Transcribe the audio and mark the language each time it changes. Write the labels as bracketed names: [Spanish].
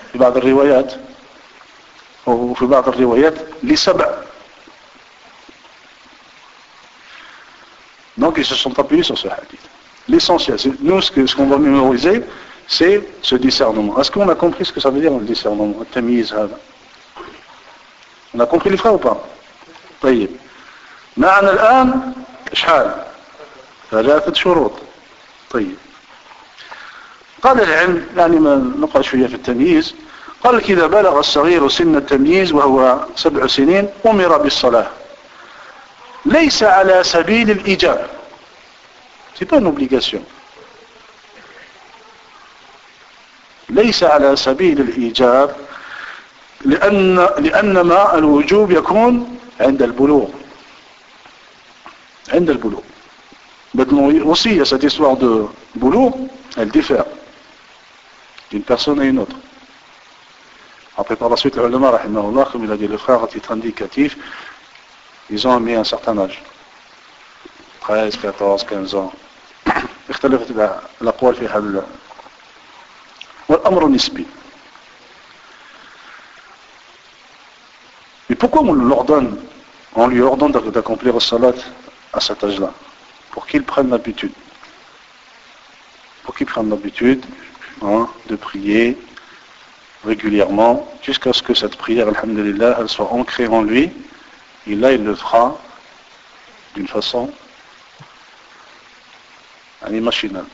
[Arabic] في بعض الروايات وفي بعض الروايات لسبع [French] donc ils se sont appuyés sur ce hadith. L'essentiel, c'est, nous ce qu'on va mémoriser c'est ce discernement. Est-ce qu'on a compris ce que ça veut dire le discernement [Arabic] التمييز هذا? [French] On a compris les frères ou pas? [Arabic] طيب معنا الآن شحال ثلاثة شروط. طيب قال العلم يعني ما نقرأ شوية في التمييز. قال لك إذا بلغ الصغير سن التمييز وهو 7 سنين أمر بالصلاة ليس على سبيل الإيجاب [French] c'est pas une obligation [Arabic] ليس على سبيل الإيجاب لأنما الوجوب يكون عند البلوغ عند البلوغ [French] maintenant aussi il y a cette histoire de [Arabic] بلوغ [French] elle diffère d'une personne à une autre. Après, par la suite, le ulama, rahimahullah, comme il a dit, le frère, à titre indicatif, ils ont mis un certain âge. 13, 14, 15 ans. [Arabic] اختلفت الأقوال في هذا والأمر نسبي. [French] Mais pourquoi on l'ordonne, on lui ordonne d'accomplir le salat à cet âge-là? Pour qu'il prenne l'habitude. Pour qu'il prenne l'habitude, hein, de prier régulièrement, jusqu'à ce que cette prière, alhamdulillah, elle soit ancrée en lui, et là, il le fera d'une façon machinale.